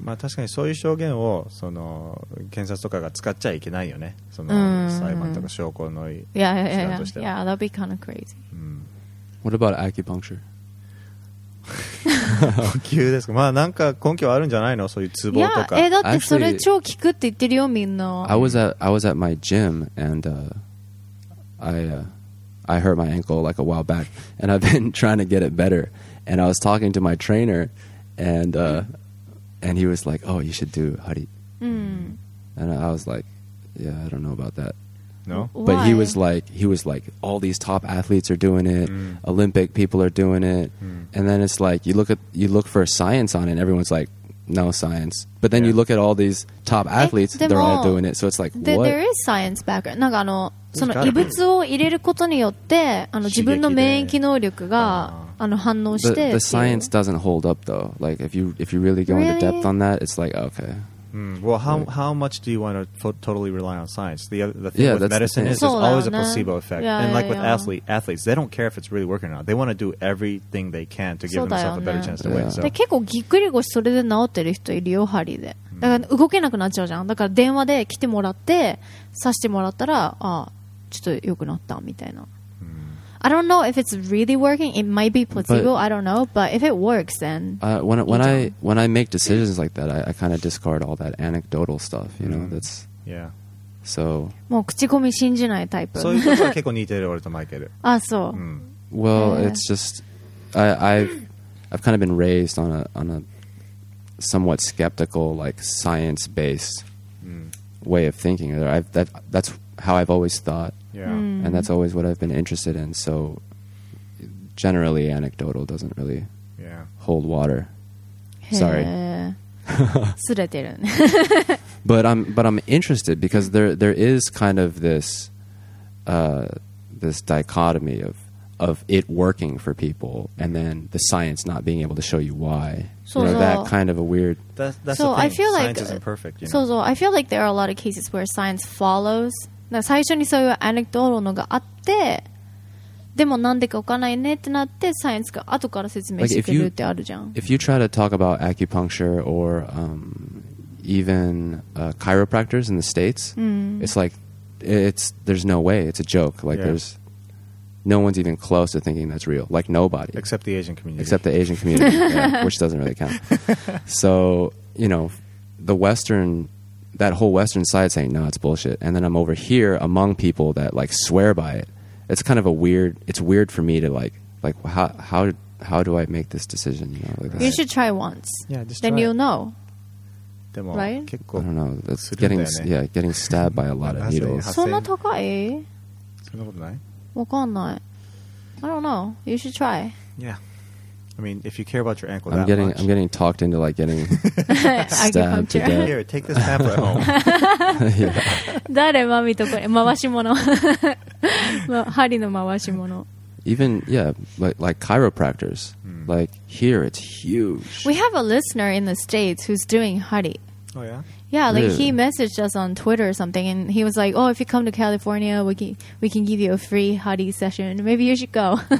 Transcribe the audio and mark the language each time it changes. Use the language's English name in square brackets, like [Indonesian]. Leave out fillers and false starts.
[Japanese] まあ、確かにそういう証言をその検察とかが使っちゃいけないよね。その裁判とか証拠の手段としては。 [English] いや、that'd be kind of crazy. What about acupuncture? [Japanese] 呼吸ですか。まあなんか根拠あるんじゃないの？そういうツボとか。いや、だってそれ超効くって言ってるよみんな。 [English] I was at my gym and I hurt my ankle like a while back and I've been trying to get it better and I was talking to my trainer. And he was like, oh, you should do hari. And I was like, yeah, I don't know about that. No? But he was like, all these top athletes are doing it. Olympic people are doing it. And then it's like, you look for science on it. And everyone's like, no science. But then you look at all these top athletes, they're all doing it. So it's like, what? There is science background. [Japanese] なんかあの、その異物を入れることによって、あの、自分の免疫能力が、あの反応して [English] the science doesn't hold up though. Like if you really go into depth on that, it's like okay. Well, how much do you want to totally rely on science? The thing with medicine is there's always a placebo effect. Athletes, they don't care if it's really working or not. They want to do everything they can to give themselves a better chance to win. So. [Japanese] で結構ぎっくり腰それで治ってる人いるよ、針で。だから動けなくなっちゃうじゃん。だから電話で来てもらって刺してもらったら、あ、ちょっと良くなったみたいな。 [English] I don't know if it's really working. It might be placebo. I don't know. But if it works, then when I make decisions like that, I kind of discard all that anecdotal stuff. You know, that's yeah. So. [Japanese] もう口コミ信じないタイプ。そういうことは結構似てる俺とマイケル。あ、そう。 [English] Well, it's just I've kind of been raised on a somewhat skeptical, like science based way of thinking. That's how I've always thought. Yeah. And that's always what I've been interested in. So generally anecdotal doesn't really hold water. Sorry. But I'm interested because there is kind of this this dichotomy of it working for people and then the science not being able to show you why. So, you know, that kind of a weird that's so the thing. I feel science like, isn't perfect, you know? So I feel like there are a lot of cases where science follows. [Japanese] 最初にそういうアネクドロのがあってでもなんでか分かんないねってなってサイエンスが後から説明してくれるってあるじゃん。 [English] If you try to talk about acupuncture or even chiropractors in the States、it's like there's no way, it's a joke, like there's no one's even close to thinking that's real, like nobody except the Asian community yeah, which doesn't really count. So you know the Western, that whole Western side saying no, it's bullshit, and then I'm over here among people that like swear by it. It's kind of a weird, it's weird for me to like how do I make this decision, you know, like you should try once, just then try. You'll know. Right? I don't know, that's getting getting stabbed by a lot of needles. [Japanese] そんな高い？そんなことない？わかんない。 [English] I don't know, you should try. I mean, if you care about your ankle, I'm getting talked into like getting stabbed to death. Here, take this pamphlet home. [Japanese] 誰マミとこれ回し物、針の回し物。 [English] Even like chiropractors, like here it's huge. We have a listener in the States who's doing hari. Oh yeah. Yeah, like really? He messaged us on Twitter or something, and he was like, "Oh, if you come to California, we can give you a free hari session. Maybe you should go."